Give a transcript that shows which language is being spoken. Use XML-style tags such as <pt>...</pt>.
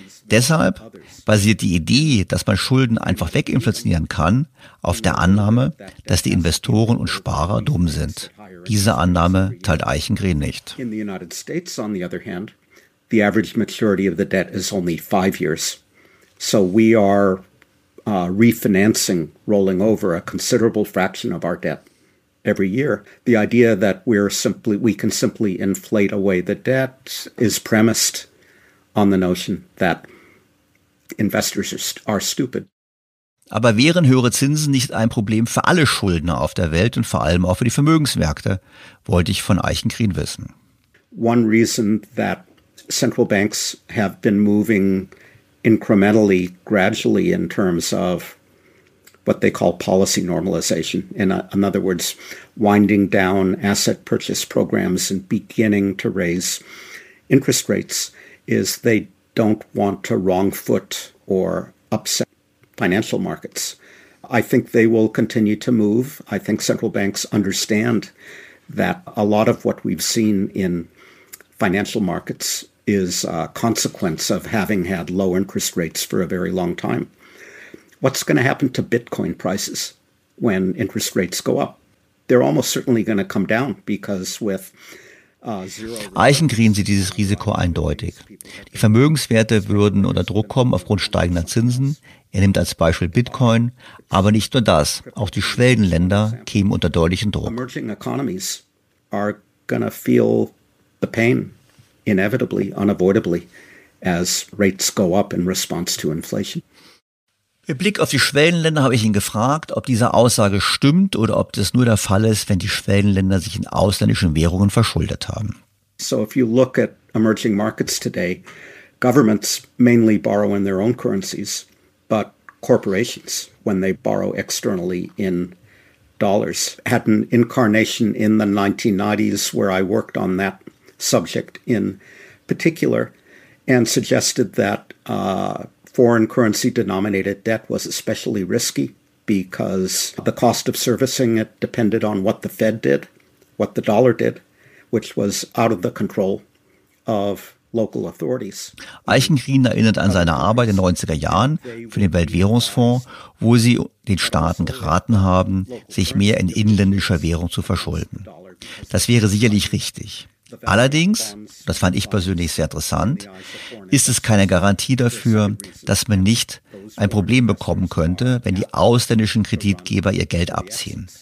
<de>Deshalb basiert die Idee, dass man Schulden einfach weginflationieren kann, auf der Annahme, dass die Investoren und Sparer dumm sind. Diese Annahme teilt Eichengreen nicht.</de> <en>In the United States, on the other hand, the average maturity of the debt is only 5 years. So we are refinancing, rolling over a considerable fraction of our debt every year. The idea that we can simply inflate away the debt is premised on the notion that investors are stupid.</en> <de>Aber wären höhere Zinsen nicht ein Problem für alle Schuldner auf der Welt und vor allem auch für die Vermögensmärkte, wollte ich von Eichengreen wissen.</de> <en>One reason that central banks have been moving incrementally, gradually in terms of what they call policy normalization. In other words, winding down asset purchase programs and beginning to raise interest rates is they don't want to wrong foot or upset financial markets. I think they will continue to move. I think central banks understand that a lot of what we've seen in financial markets is a consequence of having had low interest rates for a very long time. What's going to happen to Bitcoin prices when interest rates go up? They're almost certainly going to come down because with</en> <de>Eichengreen sieht dieses Risiko eindeutig. Die Vermögenswerte würden unter Druck kommen aufgrund steigender Zinsen. Er nimmt als Beispiel Bitcoin, aber nicht nur das. Auch die Schwellenländer kämen unter deutlichen Druck.</de> <en>Emerging economies are going to feel the pain inevitably, unavoidably, as rates go up in response to inflation.</en> <de>Mit Blick auf die Schwellenländer habe ich ihn gefragt, ob diese Aussage stimmt oder ob das nur der Fall ist, wenn die Schwellenländer sich in ausländischen Währungen verschuldet haben.</de> <en>So if you look at emerging markets today, governments mainly borrow in their own currencies, but corporations, when they borrow externally in dollars, had an incarnation in the 1990s where I worked on that subject in particular and suggested that foreign currency denominated debt was especially risky because the cost of servicing it depended on what the Fed did, what the dollar did, which was out of the control of local authorities.</en> <de>Eichengreen erinnert an seine Arbeit in den 90er Jahren für den Weltwährungsfonds, wo sie den Staaten geraten haben, sich mehr in inländischer Währung zu verschulden. Das wäre sicherlich richtig. Allerdings, das fand ich persönlich sehr interessant, ist es keine Garantie dafür, dass man nicht ein Problem bekommen könnte, wenn die ausländischen Kreditgeber ihr Geld abziehen.</de>